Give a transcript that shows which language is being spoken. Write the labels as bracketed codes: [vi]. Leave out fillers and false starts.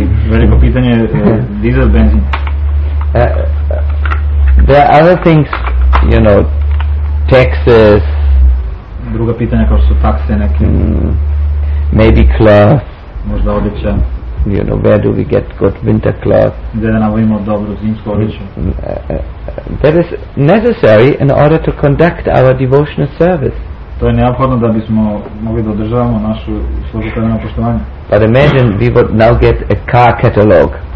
[sr] Veliko pitanje diesel benzin. [en] There are other things, you know, taxes. [sr] Druga pitanja kao su takse neke. [en] Maybe cloth. [sr] Možda odjeća. [en] You know, where do we get good winter cloth? [sr] Gdje da nabavimo dobru zimsku odjeću? [en] That is necessary in order to conduct our devotional service. [sr] To je neophodno da bismo mogli da održavamo našu službu predana poštovanja. [en] But imagine we would now get a car catalog.